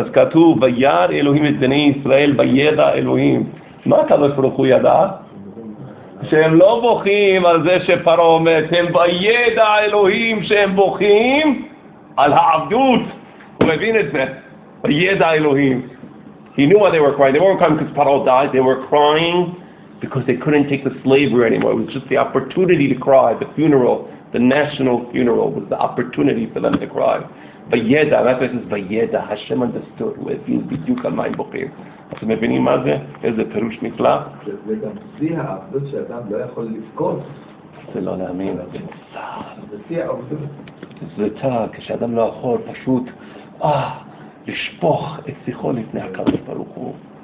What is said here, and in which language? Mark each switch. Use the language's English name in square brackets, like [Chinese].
[Hebrew] אז כתוב, וירא אלוהים את בני ישראל וידע אלוהים. מה הקדוש ברוך הוא ידע? שהם לא בוכים על זה שפרעה מת, הם בידע אלוהים שהם בוכים על העבדות. הוא מבין את זה, בידע אלוהים. [English] He knew why they were crying. They weren't crying because Pharaoh died. They were crying because they couldn't take the slavery anymore. It was just the opportunity to cry. The funeral, the national funeral, was the opportunity for them to cry. [Hebrew] בידע, מה זה says בידע, השם understood. הוא הבין בדיוק על מה הם בוכים. אתם מבינים מה זה? איזה פירוש נפלא? זה גם שיא העבדות שאדם לא יכול לבכות. זה לא להאמין, זה צער. זה שיא העבדות. זה צער, כשאדם לא יכול פשוט לשפוך את שיחו לפני הקדוש ברוך הוא.